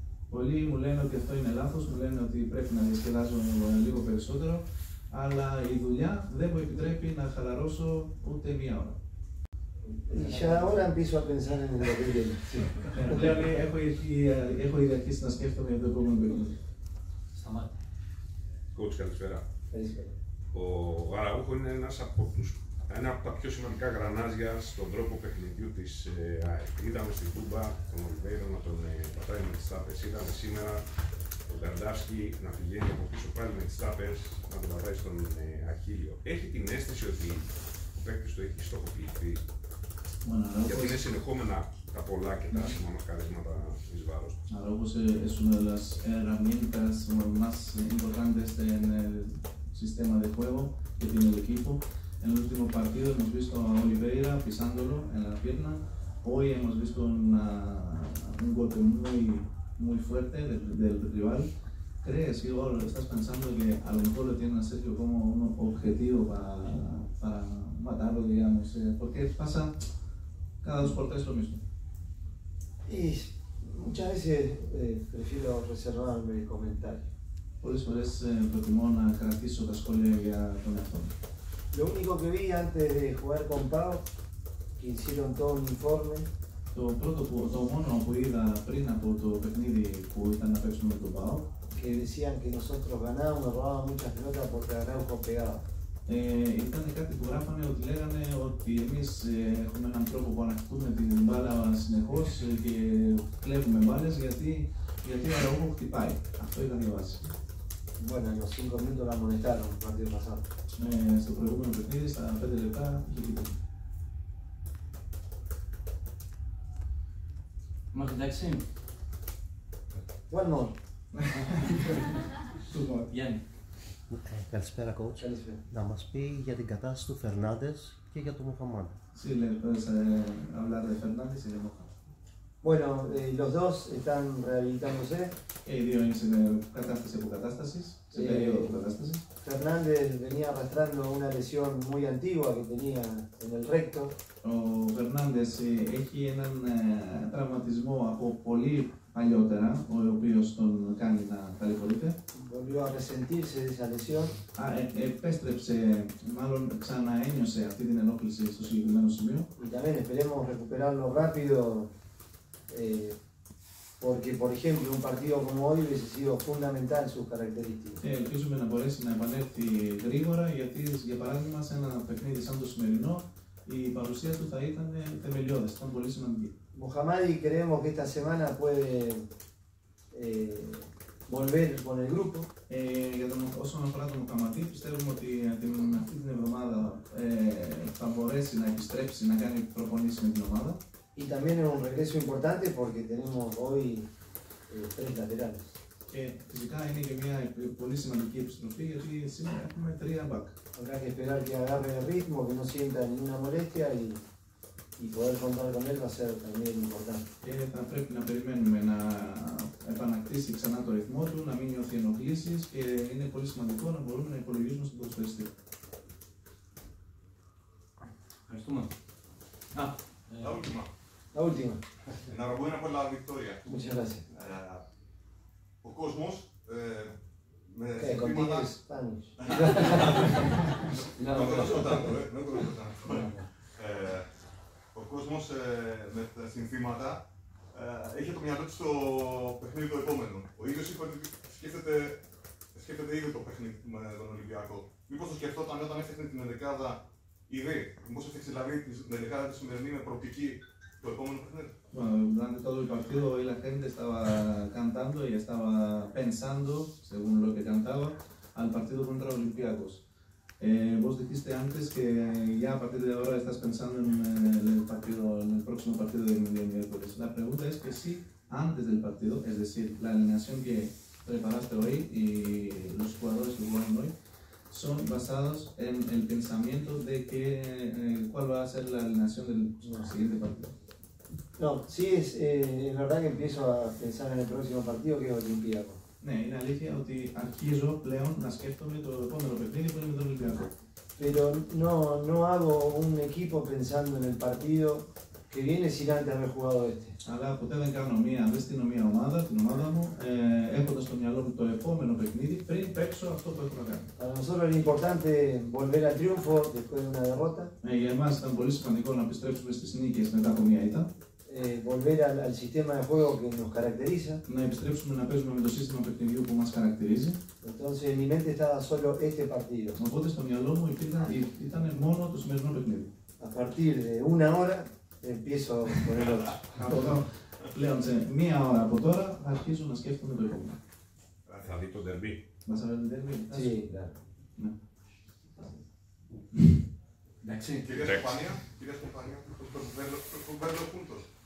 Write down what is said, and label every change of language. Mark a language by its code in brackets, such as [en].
[el] Πολλοί μου λένε ότι αυτό είναι λάθος, μου λένε ότι πρέπει να διασκεδάζω λίγο περισσότερο, αλλά η δουλειά δεν μου επιτρέπει να χαλαρώσω ούτε μία ώρα. [es] Ya ahora empiezo a pensar en el [el] επόμενο. Έχω ήδη αρχίσει να σκέφτομαι για το επόμενο επόμενο. Σταμάτη. Coach, καλησπέρα. Καλησπέρα. Ο Αραούχο είναι ένα από τα πιο σημαντικά γρανάζια στον τρόπο παιχνιδιού της ΑΕΚ. Είδαμε στην Τούμπα τον Ολιβέιρο να τον πατάει με τις τάπες. Είδαμε σήμερα τον Καρντάσκι να πηγαίνει από πίσω πάλι με τις τάπες να τον πατάει στον Αχίλιο. Έχει την αίσθηση ότι ο παίκτης του έχει στοχοποιηθεί. Γιατί είναι συνεχόμενα τα πολλά και τα άσχημα μας καλέσματα εις βάρος. Άρα όπως [es] es una de las herramientas más importantes en el sistema de juego que tiene el equipo. En el último partido hemos visto a Oliveira pisándolo en la pierna. Hoy hemos visto un golpe muy, muy fuerte del rival. ¿Crees, Igor, estás pensando que a lo mejor lo tiene a Sergio como un objetivo para matarlo, digamos? Porque pasa cada dos por tres lo mismo. Y muchas veces prefiero reservarme el comentario. Por eso es Pokémon a Caracizo, Cascole y a Conector. Lo único que vi antes de jugar con Pau, que hicieron todo un informe. [el] Το πρώτο που το μόνο που είδα πριν από το παιχνίδι που ήταν να παίξουμε τον ΠΑΟ. Και [es] decían que nosotros ganábamos, robábamos muchas pelotas porque Araujo pegaba. [el] Ήταν κάτι που γράφανε ότι λέγανε ότι εμείς έχουμε έναν τρόπο που ανακτούμε την μπάλα συνεχώς και κλέβουμε μπάλες γιατί ο Araujo χτυπάει. Αυτό ήταν η βάση. [es] Bueno, los 5 minutos la monetaron el partido pasado. [el] Στο προηγούμενο παιχνίδι, στα 5 λεπτά, είχε. Μάχη, εντάξει. [en] One more. Two more. Γιάννη. [el] Καλησπέρα, coach. Καλησπέρα. Να μας πει για την κατάσταση του Φερνάντες και για τον Μοχαμάν. [es] Sí, le puedes hablar de Fernández y de Mohamed. Bueno, los dos están rehabilitándose. [el] Οι δύο είναι σε κατάσταση από κατάσταση, σε περίοδο από κατάσταση. [es] Fernández venía arrastrando una lesión muy antigua que tenía en el recto. [el] Ο Fernández έχει έναν τραυματισμό από πολύ παλιότερα, ο οποίος τον κάνει να ταλαιπωρείται. [es] Volvió a resentirse de esa lesión. [el] Επέστρεψε, μάλλον ξαναένιωσε αυτή την ενόχληση στο συγκεκριμένο σημείο. [es] Y también esperemos recuperarlo rápido, porque, por ejemplo, un partido como hoy hubiese sido fundamental sus características. [el] Ελπίζουμε να μπορέσει να επανέλθει γρήγορα, γιατί, για παράδειγμα, σε ένα παιχνίδι σαν το σημερινό, η παρουσία του θα ήταν θεμελιώδη, θα ήταν πολύ σημαντική. [es] Μοχαμάδι, creemos que esta semana puede volver con el grupo. [el] Όσον αφορά τον Μοχαμάδι, πιστεύουμε ότι αυτή την εβδομάδα θα μπορέσει να επιστρέψει να κάνει προπονήσεις με την ομάδα. [es] Y también es un regreso importante porque tenemos hoy tres laterales. [el] Φυσικά είναι και μια πολύ σημαντική επιστροφή γιατί σήμερα έχουμε τρία back. [es] Habrá que esperar que agarre el ritmo, que no sienta ninguna molestia y poder contar con él va a ser también importante. [el] Θα πρέπει να περιμένουμε να επανακτήσει ξανά το ρυθμό του, να μην νιώθει ενοχλήσεις και είναι πολύ σημαντικό να μπορούμε να υπολογίσουμε στον ποδοσφαιριστή. Ευχαριστούμε. [es] La última. Enhorabuena por la victoria. Muchas gracias. O Cosmos, me decís. ¿Qué? Spanish. No conozco tanto, ¿eh? No conozco tanto. [el] O Cosmos, με τα συνθήματα, είχε το μυαλό του στο παιχνίδι το επόμενο. Ο ίδιος είπε ότι σκέφτεται ήδη το παιχνίδι με τον Ολυμπιακό. Μήπως το σκεφτόταν όταν έφτιαχνε την ενδεκάδα ήδη, μήπως έφτιαξε δηλαδή την ενδεκάδα τη σημερινή με προοπτική. [es] Bueno, durante todo el partido hoy la gente estaba cantando y estaba pensando, según lo que cantaba, al partido contra Olympiacos. Vos dijiste antes que ya a partir de ahora estás pensando en el próximo partido de miércoles. La pregunta es que si antes del partido, es decir, la alineación que preparaste hoy y los jugadores que jugaron hoy, son basados en el pensamiento de que cuál va a ser la alineación del siguiente partido. No, sí, es verdad que empiezo a pensar en el próximo partido, que es Olympiacos. [el] Ναι, είναι αλήθεια ότι αρχίζω πλέον να σκέφτομαι το επόμενο παιχνίδι που είναι με τον Ολυμπιακό. [es] Pero no hago un equipo pensando en el partido que viene sin antes haber jugado este. [el] Αλλά ποτέ δεν κάνω μία δεστινομία ομάδα, την ομάδα μου, έχοντας στο μυαλό μου το επόμενο παιχνίδι πριν παίξω αυτό που έχω να κάνει. [es] Para nosotros era importante volver al triunfo después de una derrota. [el] Για εμάς ήταν πολύ σημαντικό να επιστρέψουμε στις νίκες μετά από μία ήττα. [es] Volver al sistema de juego que nos caracteriza. [el] Να επιστρέψουμε να παίζουμε με το σύστημα παιχνιδιού που μας χαρακτηρίζει. [es] Entonces, en mi mente estaba solo este partido. [el] Οπότε στο μυαλό μου ήταν μόνο το σημερινό παιχνίδι. [es] A partir de una hora, empiezo con el otro. [el] Πλέον σε μία ώρα από τώρα αρχίζω να σκέφτομαι το επόμενο. Θα δει το ντερμπί. Μας αρέσει το ντερμπί. [es] Sí, claro. [el] Κυρία Σπανία, πρέπει να το κουβέρνω.